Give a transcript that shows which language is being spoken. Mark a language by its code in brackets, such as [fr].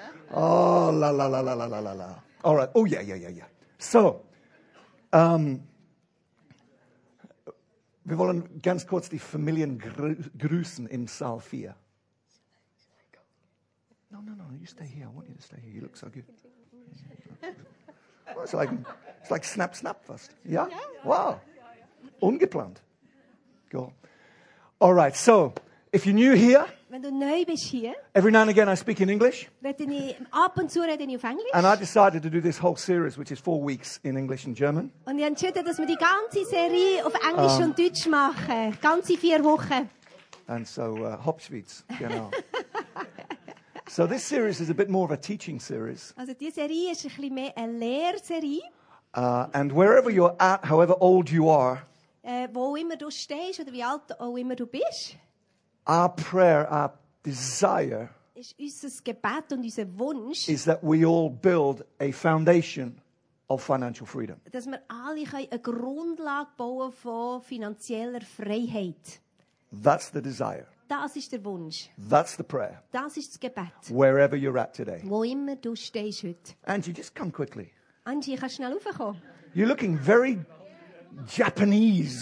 [de] Oh, la, la, la, la, la, la, la. All right. Oh, yeah, yeah, yeah, yeah. So, wir wollen ganz kurz die Familien grüßen im Saal 4. [en] No, you stay here. I want you to stay here. You look so good. Well, it's like snap, snap fast. Yeah? Wow. Ungeplant. Go. All right, so, if you're new here, [de] wenn du neu bist hier, [en] every now and again I speak in English. [de] Ab und zu rede ich auf Englisch. [en] And I decided to do this whole series, which is 4 weeks in English and German. [de] Und ich entschied, dass wir die ganze Serie auf Englisch und Deutsch machen. Ganze 4 Wochen. [en] And so, Hopschwitz, genau. So this series is a bit more of a teaching series. [de] Also die Serie ist ein bisschen mehr eine Lehrserie. [en] And wherever you're at, however old you are, [de] wo immer du stehst oder wie alt auch immer du bist, [en] our prayer, our desire, [de] ist unser Gebet und unser Wunsch, [en] is that we all build a foundation of financial freedom. [de] Dass wir alle eine Grundlage bauen von finanzieller Freiheit. [en] That's the desire. [de] Das ist der Wunsch. [en] That's the prayer. [de] Das ist das Gebet. [en] Wherever you're at today. [de] Wo immer du stehst heute. [en] Angie, just come quickly. [de] Angie, kannst schnell raufkommen. [en] You're looking very Japanese,